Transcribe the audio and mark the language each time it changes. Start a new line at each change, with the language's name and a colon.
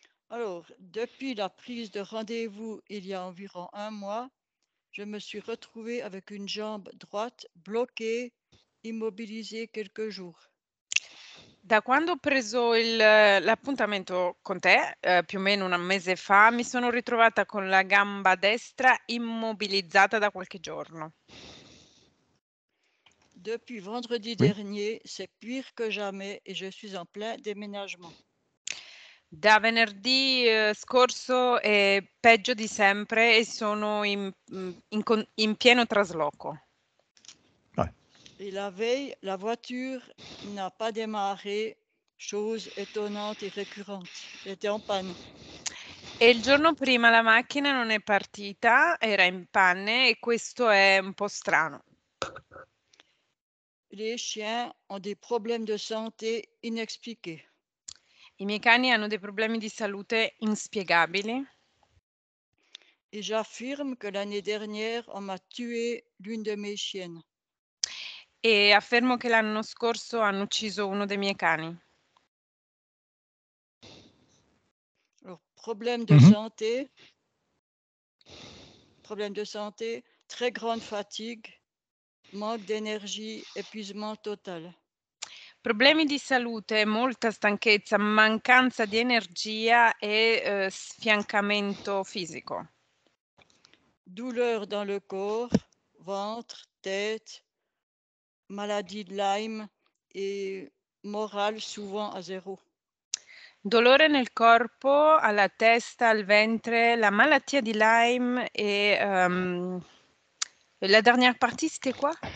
French: Alors, depuis la prise de rendez-vous il y a environ un mois, je me suis retrouvée avec une jambe droite bloquée, immobilisée quelques jours.
Italian: Da quando ho preso l'appuntamento con te, più o meno un mese fa, mi sono ritrovata con la gamba destra immobilizzata da qualche giorno.
French: Depuis vendredi dernier, c'est pire que jamais et je suis en plein déménagement.
Italian: Da venerdì scorso è peggio di sempre e sono in pieno trasloco.
French: Et la veille, la voiture n'a pas démarré, chose étonnante et récurrente. Elle était en panne. Et le jour
Italian: prima la macchina non è partita, era in panne e questo è un po' strano.
French: Les chiens ont des problèmes de santé inexpliqués.
Italian: I miei cani hanno dei problemi di salute inspiegabili.
French: Et j'affirme que l'année dernière, on m'a tué l'une de mes chiennes.
Italian: E affermo che l'anno scorso hanno ucciso uno dei miei cani.
French: Alors, problème de santé. Problème de santé, très grande fatigue, manque d'énergie, épuisement total.
Italian: Problemi di salute, molta stanchezza, mancanza di energia e sfiancamento fisico.
French: Douleur dans le corps, ventre, tête, maladie de Lyme e morale souvent a zero.
Italian: Dolore nel corpo, alla testa, al ventre, la malattia di Lyme e
French: la dernière partie c'était quoi?